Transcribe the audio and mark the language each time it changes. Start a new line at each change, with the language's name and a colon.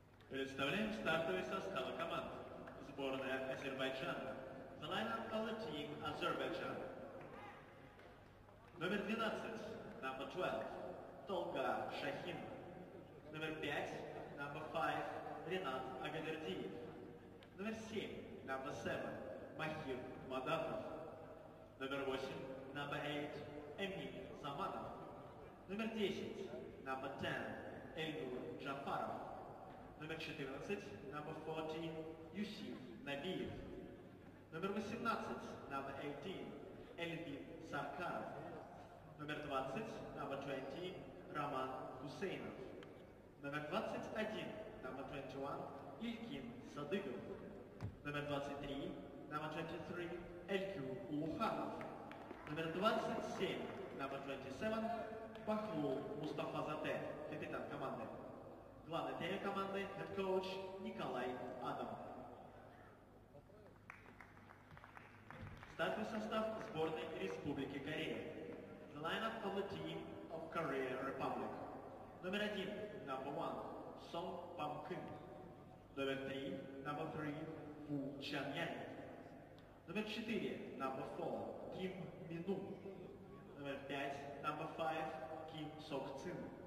Russian: Представляем стартовый состав команд. Сборная Азербайджана.
English: The line-up of the team Azerbaijan.
Russian: Номер 12,
English: number 12,
Russian: Tolga Shahin. Номер 5,
English: number 5,
Russian: Ренат Агадердиев. Номер 7,
English: number 7,
Russian: Махир Мадамов. Номер 8,
English: number 8,
Russian: Эмин Заманов. Номер 10,
English: number 10,
Russian: Эльнур Джафаров. Номер 14,
English: number 14,
Russian: Юсиф Набиев. Номер 18,
English: number 18,
Russian: Эльбин Саркаров. Номер 20,
English: number 20,
Russian: Роман Гусейнов. Номер 21,
English: number 21,
Russian: Илькин Садыгов. Номер 23,
English: number 23,
Russian: Элькю Улуханов. Номер 27,
English: number 27,
Russian: Бахмул Мустафа Зате, капитан команды. Главный тренер команды,
English: head coach
Russian: Николай Адам. Стартовый состав сборной Республики Корея.
English: The lineup of the team of Korea Republic.
Russian: Номер 1,
English: number 1,
Russian: Сон Пам Кын. Номер 3,
English: number 3,
Russian: Фу Чан Ян. Номер 4,
English: number 4,
Russian: Ким Мину. Номер 5,
English: number 5,
Russian: Ким Сок Цин.